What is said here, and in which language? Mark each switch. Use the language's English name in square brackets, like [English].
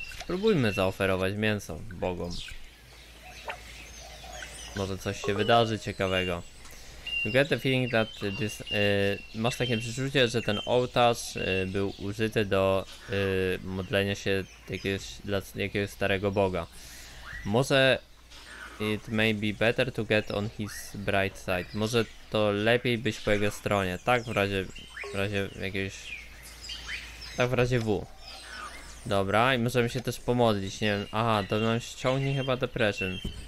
[Polish] Spróbujmy zaoferować mięso Bogom. Może coś się wydarzy ciekawego. [English] You get the feeling that this, [Polish] masz takie przeczucie, że ten ołtarz był użyty do modlenia się jakiegoś starego boga. Może [English] it may be better to get on his bright side. [Polish] Może to lepiej być po jego stronie. Tak w razie jakiegoś... Tak w razie W. Dobra, i możemy się też pomodlić, nie wiem. Aha, to nam ściągnie chyba depression.